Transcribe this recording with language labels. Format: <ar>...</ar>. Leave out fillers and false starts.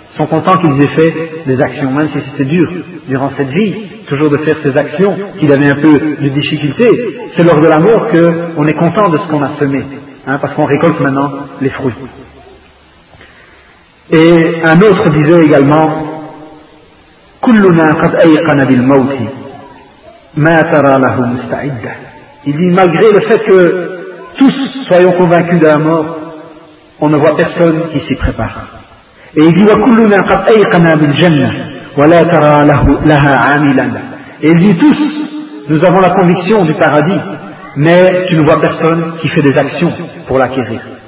<fr>Sont contents qu'ils aient fait des actions, même si c'était dur durant cette vie, toujours de faire ces actions, qu'il avait un peu de difficulté. C'est lors de la mort qu'on est content de ce qu'on a semé, hein, parce qu'on récolte maintenant les fruits. Et un autre disait également,</fr> <ar>كلنا قد أيقن بالموت ما ترى له مستعدا.</ar> <fr>Il dit, malgré le fait que tous soyons convaincus de la mort, on ne voit personne qui s'y prépare. Et il dit,</fr> <ar>وكلنا قد أيقن بالجنة ولا ترى له لها عاملا.</ar> <fr>Et il dit, tous nous avons la conviction du paradis, mais tu ne vois personne qui fait des actions pour l'acquérir.</fr>